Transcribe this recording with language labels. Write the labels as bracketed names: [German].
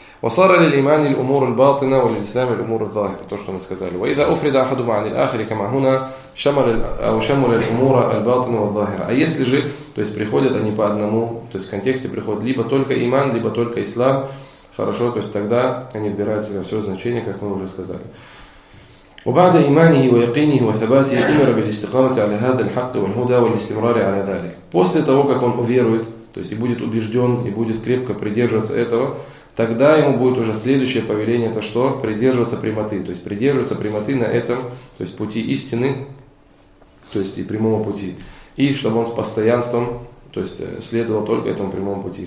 [Arabic] وصار للإيمان الأمور الباطنة وللإسلام الأمور الظاهرة. [Russian] То, что мы сказали. [Arabic] وإذا أفرد أحدهما عن الآخر كما هنا شمل أو شمل الأمور الباطنة والظاهرة. [Russian] А если же, то есть приходят они по одному, то есть в контексте приходят либо только иман, либо только ислам. Хорошо, то есть тогда они вбирают в себя все значение, как мы уже сказали. [Arabic] وبعد إيمانه ويقينه وثباته أمر بالاستقامة على هذا الحق والهدى والاستمرار على ذلك. [Russian] После того, как он уверует, то есть и будет убежден, и будет крепко придерживаться этого, тогда ему будет уже следующее повеление, это что? Придерживаться прямоты. То есть придерживаться прямоты на этом, то есть пути истины, то есть и прямого пути. И чтобы он с постоянством, то есть следовал только этому прямому пути.